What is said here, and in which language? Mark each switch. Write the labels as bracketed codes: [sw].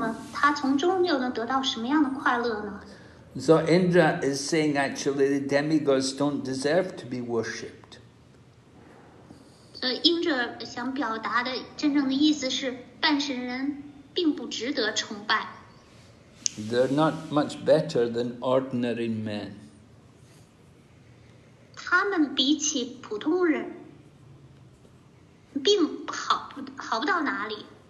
[zh] 即便一个人拥有感官享乐的对象，那么倘若他这个人将会被判处死刑的话，那么他从中又能得到什么样的快乐呢？ [en] So Indra is saying actually the demigods don't deserve to be worshipped. [zh] 英者想表达的真正的意思是，半神人并不值得崇拜。 [en] They're not much better than ordinary men. [zh] 他们比起普通人，并好不到哪里。